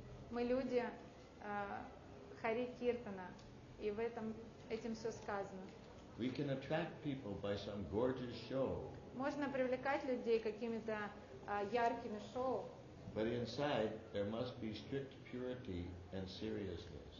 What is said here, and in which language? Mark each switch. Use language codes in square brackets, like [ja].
[ru] Мы люди Хари Киртана, и в этом этим все сказано. [en] We can attract people by some gorgeous show. [ru] Можно привлекать людей какими-то яркими шоу. [en] But inside there must be strict purity and seriousness.